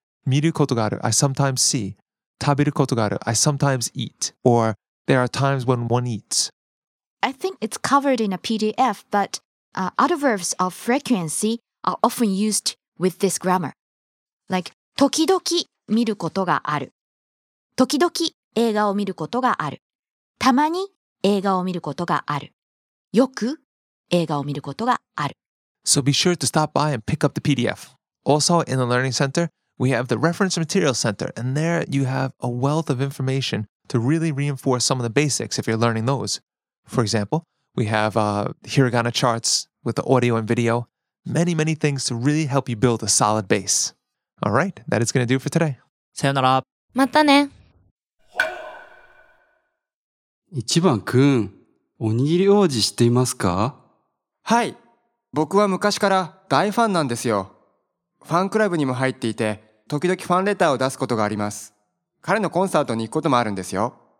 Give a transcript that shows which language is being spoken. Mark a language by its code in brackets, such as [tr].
[ja] 見ることがある, [en] I sometimes see. [ja] 食べることがある, [en] I sometimes eat. Or there are times when one eats. I think it's covered in a PDF, but other verbs of frequency are often used with this grammar. [ja] Like, 時々見ることがある。時々映画を見ることがある。たまに映画を見ることがある。よく映画を見ることがある。 [en] So be sure to stop by and pick up the PDF. Also, in the Learning Center, we have the Reference Material Center, and there you have a wealth of information to really reinforce some of the basics if you're learning those. For example, we have hiragana charts with the audio and video. Many, many things to really help you build a solid base. All right, that is going to do for today. [ja] さよなら。またね。 1番くん、おにぎり王子知っていますか？はい、僕は昔から大ファンなんですよ。ファンクラブにも入っていて、時々ファンレターを出すことがあります。彼のコンサートに行くこともあるんですよ。